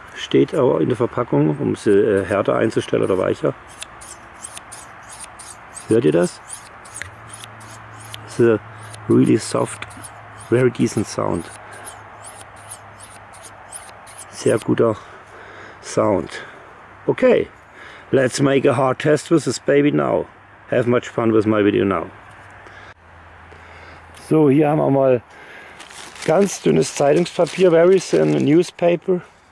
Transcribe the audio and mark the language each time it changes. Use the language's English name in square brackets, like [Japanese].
[German] Steht aber in der Verpackung, um sie härter einzustellen oder weicher. Hört ihr das? [English] This is a really soft, very decent sound. [German] Sehr guter Sound. [English] Okay, let's make a hard test with this baby now. Have much fun with my video now. [German] So, hier haben wir mal ganz dünnes Zeitungspapier, [English] very thin newspaper.